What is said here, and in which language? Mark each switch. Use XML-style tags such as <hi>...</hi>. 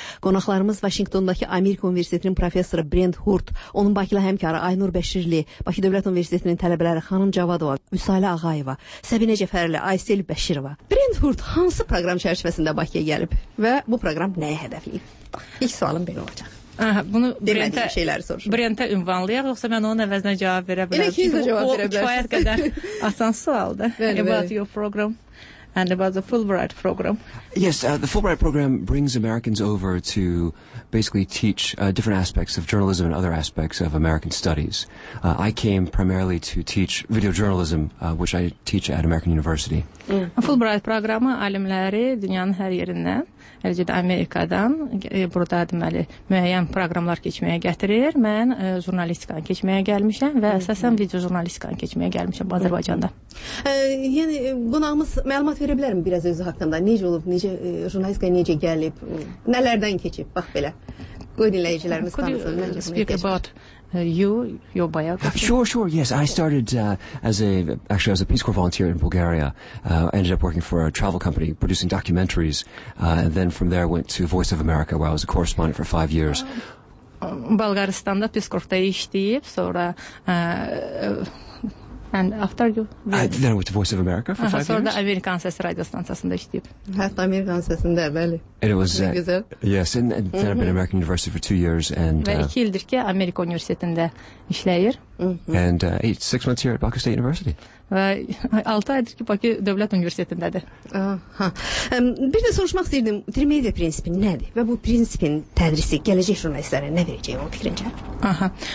<az>Qonaqlarımız Vaşinqtondakı Amerika Universitetinin professoru Brent Hurt, onun Bakılı həmkarı Aynur Bəşirli, Bakı Dövlət Universitetinin tələbələri Xanım Cavadova, Müsalə Ağayeva, Səbinə Cəfərli, Aysel Bəşirova. Brent Hurt hansı proqram çərçivəsində Bakıya gəlib və bu proqram nəyə hədəfləyib? İlk sualım belə olacaq. Aha, bunu Brent'e şeyləri soruşur. Brent'e ünvanlayaq, yoxsa mən onun əvəzinə cavab verə bilərəm? Elə ki, siz cavab verə bilərsiniz. O kifayət qədər asan sualdır.</az> <en>Bəli, about your program. And about the Fulbright program. Yes, the Fulbright program brings Americans over to basically teach different aspects of journalism and other aspects of American studies. I came primarily to teach video journalism, which I teach at American University. Yeah.</en> <az>Fulbright programı alimləri dünyanın hər yerindən, eləcə də Amerikadan burada deməli müəyyən proqramlar keçməyə gətirir. Mən jurnalistikanı keçməyə gəlmişəm və əsasən video jurnalistikanı keçməyə gəlmişəm Azərbaycanda. Yəni qonağımız məlumat verə bilərim biraz özü haqqında. Necə olub, necə jurnalistika necə gəlib, nələrdən keçib, bax belə. Qoy dinləyicilərimiz tanısın.</az> <en>Speak about your biography. Sure. Yes, I started as a Peace Corps volunteer in Bulgaria. I ended up working for a travel company producing documentaries, and then from there went to Voice of America, where I was a correspondent for 5 years.</en> <az>Bulgaristanda Peace Corps-da işləyib, sonra</az> <en>and after you then I went to Voice of America for 5 years.</en> <az>Sonra da Amerikan Səsi radio stansiyasında işləyib. Hətta Amerikan Səsində, bəli.</az> <en>And it was yes, and then I've been at American University for 2 years and</en> <az>və 2 ildir ki Amerika Universitetində işləyir.</az> <en>And 6 months here at Bakı State University.</en> <az>Və 6 aydır ki Bakı Dövlət Universitetindədir. Bir də soruşmaq istəyirdim, trimedia prinsipi nədir və bu prinsipin tədrisi gələcək jurnalistlərə nə verəcək onun fikrincə?</az>